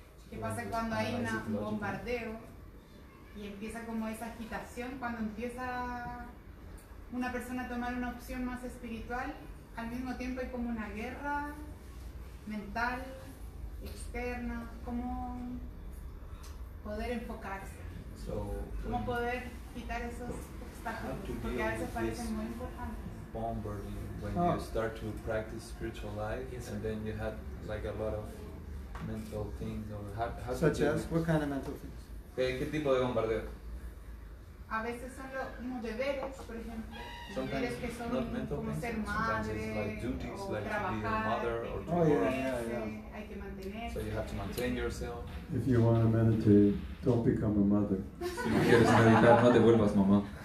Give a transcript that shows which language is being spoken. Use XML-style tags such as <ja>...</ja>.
<es>¿Qué pasa cuando hay un bombardeo y empieza como esa agitación? Cuando empieza una persona a tomar una opción más espiritual, al mismo tiempo hay como una guerra mental, externa, ¿cómo poder enfocarse? ¿Cómo poder quitar esos</es> <en>to deal with this bombarding when you start to practice spiritual life, yes, and then you have like a lot of mental things, or how such as what kind of mental things?</en> <es>¿Qué tipo de bombardeo? a veces son los deberes, por ejemplo, deberes que son como ser madre,</es> <en>duties,</en> <es>o</es> <en>like</en> <es>trabajar,</es> <en>to be a mother or to work. Yeah.</en> <es>Hay que mantenerse.</es> <en>So you have to maintain yourself. If you want to meditate, don't become a mother.</en> <es>Si no quieres meditar, no te vuelvas mamá.</es>